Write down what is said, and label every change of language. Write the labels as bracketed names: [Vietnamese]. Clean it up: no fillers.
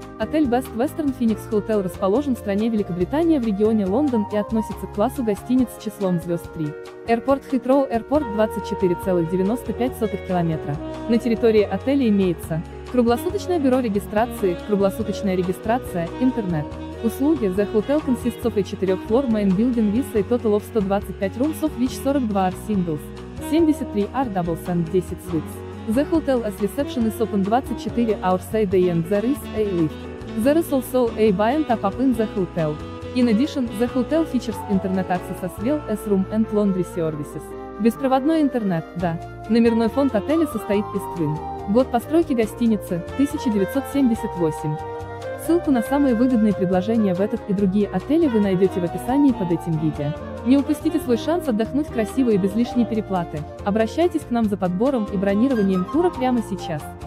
[Russian] Отель Best Western Phoenix Hotel расположен в стране Великобритания в регионе Лондон и относится к классу гостиниц с числом звезд 3. Аэропорт Хитроу Аэропорт 24,95 километра. На территории отеля имеется круглосуточное бюро регистрации, круглосуточная регистрация, интернет. [English] Услуги The Hotel consists of a 4-floor main building with a total of 125 rooms of which 42 are singles, 73 are doubles and 10 suites. The hotel as reception is open 24 hours a day and there is a lift. There is also a buy and top up in the hotel. In addition, the hotel features internet access as well as room and laundry services. [Russian] Беспроводной интернет, да. Номерной фонд отеля состоит из Twin. Год постройки гостиницы – 1978. Ссылку на самые выгодные предложения в этот и другие отели вы найдете в описании под этим видео. Не упустите свой шанс отдохнуть красиво и без лишней переплаты. Обращайтесь к нам за подбором и бронированием тура прямо сейчас.